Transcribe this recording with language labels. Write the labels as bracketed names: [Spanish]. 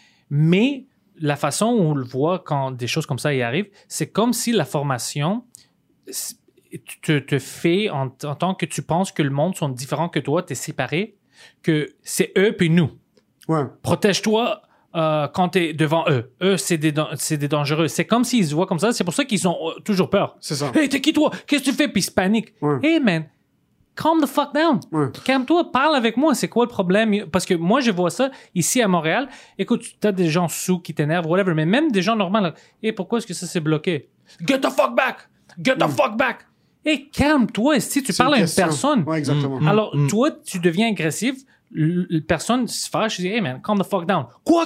[French] Mais la façon où on le voit quand des choses comme ça y arrivent, c'est comme si la formation te fait en tant que tu penses que le monde sont différents que toi, tu es séparé, que c'est eux puis nous. Ouais. Protège-toi quand t'es devant eux. Eux, c'est des dangereux. C'est comme s'ils se voient comme ça. C'est pour ça qu'ils ont toujours peur. C'est ça. Hey, t'es qui toi? Qu'est-ce que tu fais? Puis ils se paniquent. Ouais. [English] Hey man, calm the fuck down. [French] Ouais. Calme-toi, parle avec moi. C'est quoi le problème? Parce que moi, je vois ça ici à Montréal. Écoute, t'as des gens sous qui t'énervent, whatever, mais même des gens normaux. Hey, pourquoi est-ce que ça s'est bloqué? [English] Get the fuck back! Get the fuck back! [French] Hey, calme-toi. Si tu parles à une personne. Ouais, exactement. Alors, toi, tu deviens agressif. La personne se fâche, dit « [English] Hey man, calm the fuck down. [French] » »« Quoi?